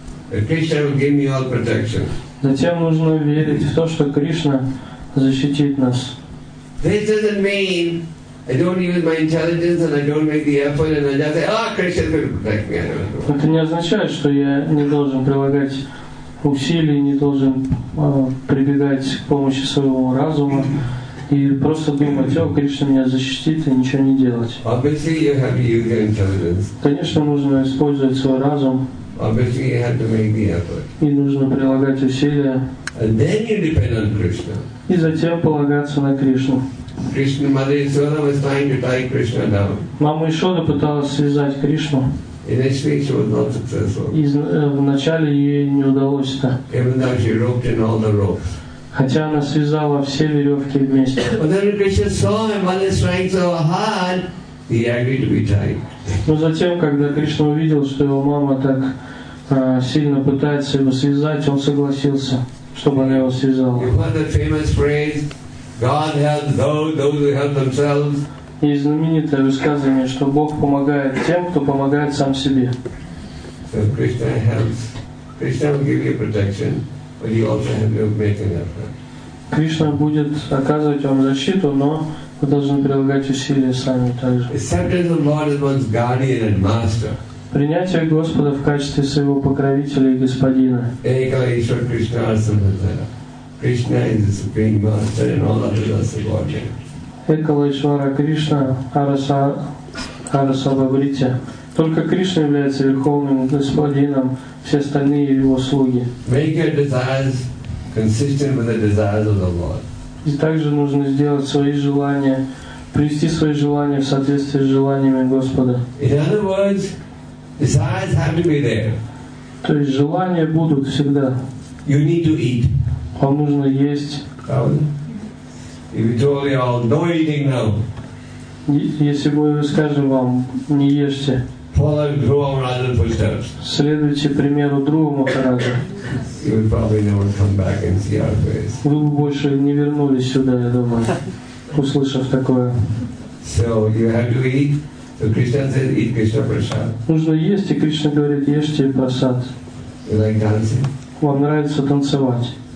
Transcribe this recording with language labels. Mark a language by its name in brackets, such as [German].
[Russian] Затем нужно верить в то, что Кришна защитит нас. [English] This doesn't mean I don't use my intelligence and I don't make the effort and I just say, ah, Krishna will protect me. [Russian] Это не означает, что я не должен прилагать усилий, не должен прибегать к помощи своего разума и просто думать, о, Кришна меня защитит, и ничего не делать. [English] Obviously you have to use your intelligence. [Russian] Конечно, нужно использовать свой разум. [English] Obviously you have to make the effort. [Russian] И нужно прилагать усилия. [English] And then you depend on Krishna. [Russian] И затем полагаться на Кришну. [English] Krishna Mother Yashoda was trying to tie Krishna down. [Russian] Мама Ишода пыталась связать Кришну. [English] Initially, she was not successful. [Russian] Вначале ей не удалось это. [English] Even though she roped in all the ropes. [Russian] Хотя она связала все веревки вместе. [English] But then Krishna saw her mother trying so hard, he agreed to be tied. [Russian] Но затем, когда Кришна увидел, что его мама так сильно пытается его связать, он согласился, чтобы она его связала. [English] You heard the famous phrase, "God helps those who help themselves." [Russian] Есть знаменитое высказывание, что Бог помогает тем, кто помогает сам себе. [English] So Krishna helps. Krishna will give you protection, but you also have to make an effort. [Russian] Кришна будет оказывать вам защиту, но вы должны прилагать усилия сами также. [English] Acceptance of Lord as one's guardian and master. [Russian] Принятие Господа в качестве своего покровителя и господина. [English] Krishna is the supreme master, and all others are subordinate. [Russian] Экала Ишвара Кришна Араса Арасабабрити. Только Кришна является Верховным Господином, все остальные Его слуги. [English] Make your desires consistent with the desires of the Lord. [Russian] И также нужно сделать свои желания, привести свои желания в соответствии с желаниями Господа. [English] In other words, desires have to be there. [Russian] То есть желания будут всегда. [English] You need to eat. [Russian] Вам нужно есть. [English] If we told you all, no eating now. [Russian] Если мы скажем вам, не ешьте. [English] Follow Guru Maharaj's footsteps. [Russian] Следуйте примеру Друга Махараджа. [English] You would probably never come back and see our face. [Russian] Вы бы больше не вернулись сюда, я думаю, услышав такое. [English] So you have to eat. So Krishna says, eat Krishna prasad. [Russian] Нужно есть, и Кришна говорит, ешьте прасад. [English] You like dancing? [Russian] Вам нравится танцевать?